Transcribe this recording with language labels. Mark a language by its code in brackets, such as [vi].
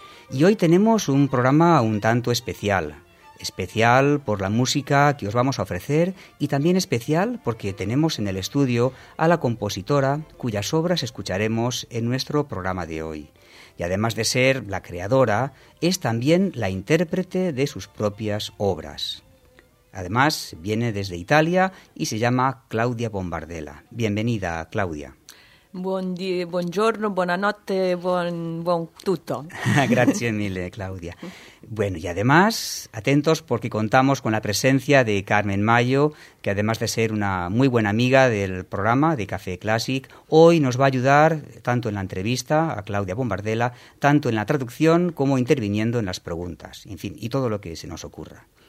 [es] Y hoy tenemos un programa un tanto especial. Especial por la música que os vamos a ofrecer y también especial porque tenemos en el estudio a la compositora cuyas obras escucharemos en nuestro programa de hoy. Y además de ser la creadora, es también la intérprete de sus propias obras. Además, viene desde Italia y se llama Claudia Bombardella. Bienvenida, Claudia. [it] Buongiorno, buonanotte, buon tutto. Grazie mille, Claudia. [es] Bueno, y además, atentos porque contamos con la presencia de Carmen Mayo, que además de ser una muy buena amiga del programa de Café Classic, hoy nos va a ayudar tanto en la entrevista a Claudia Bombardella, tanto en la traducción como interviniendo en las preguntas, en fin, y todo lo que se nos ocurra.